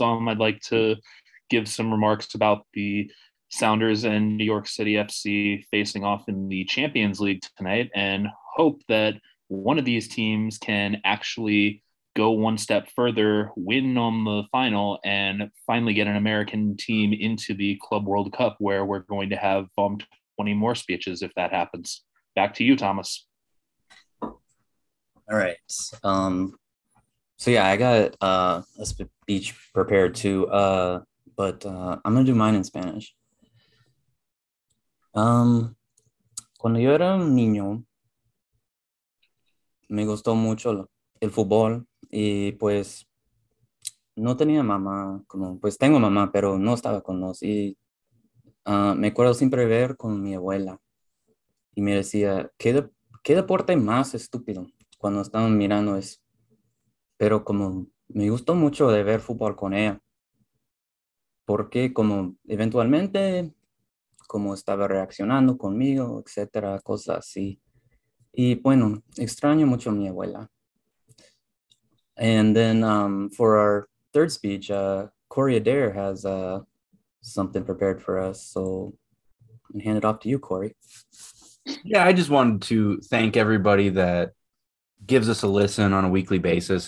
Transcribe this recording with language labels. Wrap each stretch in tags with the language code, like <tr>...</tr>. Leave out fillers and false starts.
<en>I'd like to give some remarks about the Sounders and New York City FC facing off in the Champions League tonight and hope that one of these teams can actually go one step further, win on the final, and finally get an American team into the Club World Cup, where we're going to have 20 more speeches if that happens. Back to you, Thomas. All right. I got a speech prepared too, but I'm going to do mine in Spanish.</en> <es>Cuando yo era un niño, me gustó mucho el fútbol. Y pues no tenía mamá, como pues tengo mamá, pero no estaba con nos. Y me acuerdo siempre ver con mi abuela. Y me decía, ¿qué deporte más estúpido? Cuando estaban mirando eso. Pero como me gustó mucho de ver fútbol con ella. Porque como eventualmente, como estaba reaccionando conmigo, etcétera, cosas así. Y bueno, extraño mucho a mi abuela.</es> <en>And then for our third speech, Corey Adair has something prepared for us. So I hand it off to you, Corey. Yeah, I just wanted to thank everybody that gives us a listen on a weekly basis.</en>